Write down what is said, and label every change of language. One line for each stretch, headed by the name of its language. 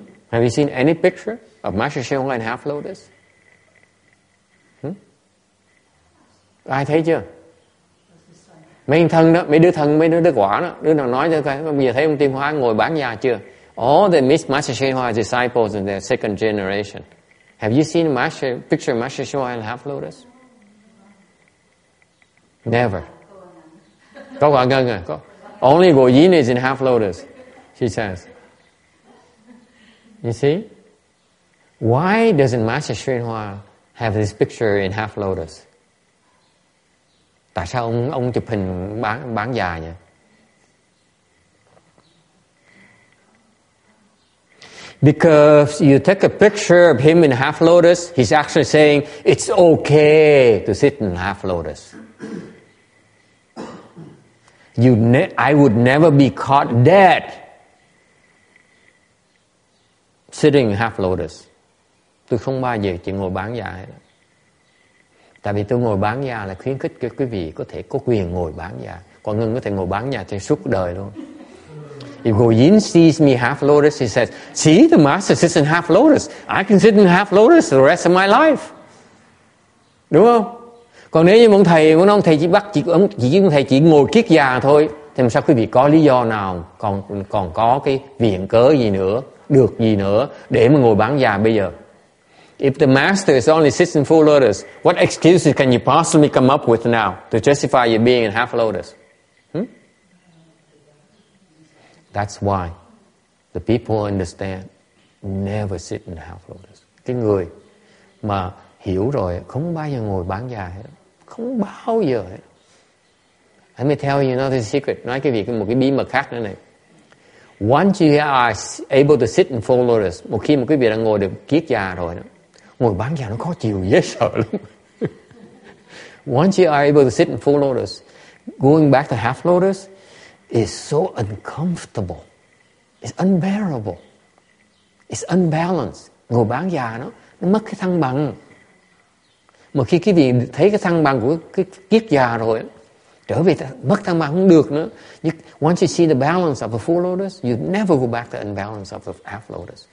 English: Have you seen any picture of Master Shen Hoa in half lotus?
Vietnamese: Ai thấy chưa? Mấy thân đó, mấy đứa thân, mấy đứa quả đó, đứa nào nói cho coi, bây giờ thấy ông Tiên Hóa ngồi bán già chưa?
English: All the Master Shen Hoa disciples in their second generation. Have you seen picture of Master Shen Hoa in half lotus? Never.
Vietnamese: Có quả ngân à?
English: Only Go Yin is in half lotus, she says. You see? Why doesn't Master Shen Hoa have this picture in half lotus?
Vietnamese: Tại sao ông chụp hình bán già nhỉ?
English: Because you take a picture of him in half lotus, he's actually saying it's okay to sit in half lotus. I would never be caught dead sitting in half lotus.
Vietnamese: Tôi không bao giờ chỉ ngồi bán già. Tại vì tôi ngồi bán già là khuyến khích quý vị có thể có quyền ngồi bán già. Còn Ngân có thể ngồi bán già trên suốt đời luôn.
English: If Go Yin sees me half lotus, he says, see, the master sits in half lotus. I can sit in half lotus the rest of my life.
Vietnamese: Đúng không? Còn nếu như ông thầy muốn ông thầy chỉ bắt chỉ ngồi kiết già thôi, thì làm sao quý vị có lý do nào còn có cái viện cớ gì nữa, được gì nữa để mà ngồi bán già bây giờ?
English: If the master is only sits in full lotus, what excuses can you possibly come up with now to justify your being in half lotus? That's why the people understand never sit in half lotus.
Vietnamese: Cái người mà hiểu rồi không bao giờ ngồi bán già hết, không bao giờ hết.
English: Let me tell you another secret.
Vietnamese: Nói cái việc một cái bí mật khác nữa này.
English: Once you are able to sit in full lotus,
Vietnamese: một khi mà quý vị đã ngồi được kiết già rồi đó, ngồi bán già nó khó chịu dễ sợ lắm.
English: Once you are able to sit in full lotus, going back to half lotus is so uncomfortable. It's unbearable. It's unbalanced.
Vietnamese: Ngồi bán già nó mất cái thăng bằng. Mà khi quý vị thấy cái thăng bằng của cái kiết già rồi, trở về mất thăng bằng không được nữa.
English: Once you see the balance of a full lotus, you never go back to the unbalance of a half lotus.